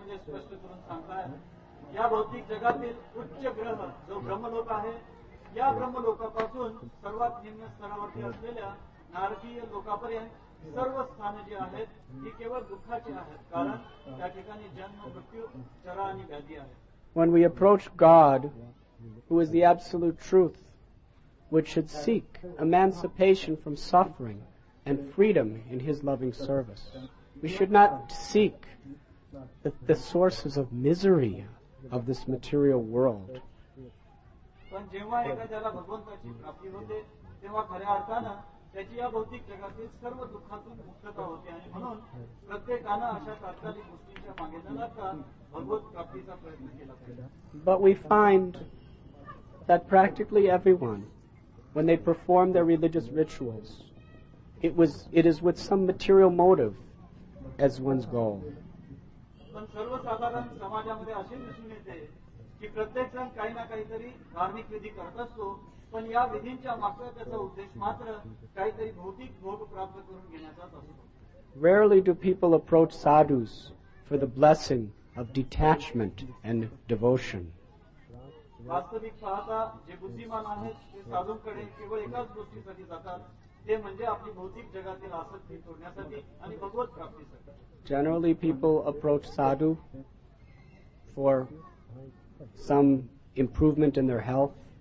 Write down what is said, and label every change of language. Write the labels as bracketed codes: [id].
[mr] या भौतिक जगातील उच्च ग्रह जो ब्रह्मलोक आहे या ब्रह्मलोकापासून सर्वात निम्न स्तरावरती असलेल्या नारकीय लोकापर्यंत सर्व स्थाने जी आहेत ती केवळ दुःखाची आहेत, कारण त्या ठिकाणी जन्म मृत्यू चरा आणि व्याधी आहे. [en] When we approach God, who is the absolute truth, which should seek emancipation from suffering and freedom in his loving service, we should not seek the sources of misery of this material world. [mr] पण जेव्हा एखाद्याला भगवंताची प्राप्ती होते तेव्हा खऱ्या अर्थानं त्याची या भौतिक जगातील सर्व दुःखातून मुक्तता होते, आणि म्हणून प्रत्येकानं अशा तात्कालिक गोष्टींच्या मागे न लागता भगवत प्राप्तीचा प्रयत्न केला पाहिजे. [en] But we find that practically everyone, when they perform their religious rituals, it is with some material motive as one's goal. [mr] पण सर्वसाधारण समाजामध्ये असे दिसून येते की प्रत्येक जण काही ना काहीतरी धार्मिक विधी करत असतो, पण या विधींच्या मागचा त्याचा उद्देश मात्र काहीतरी भौतिक भोग प्राप्त करून घेण्याचा [en] Rarely do people approach sadhus for the blessing of detachment and devotion. [mr] वास्तविक पाहता जे बुद्धिमान आहेत ते साधूंकडे केवळ एकाच गोष्टीसाठी जातात, ते म्हणजे आपली भौतिक जगातील आसक्ती तोडण्यासाठी आणि भगवत प्राप्तीसाठी. [en] Generally, people approach sadhu for some improvement in their health.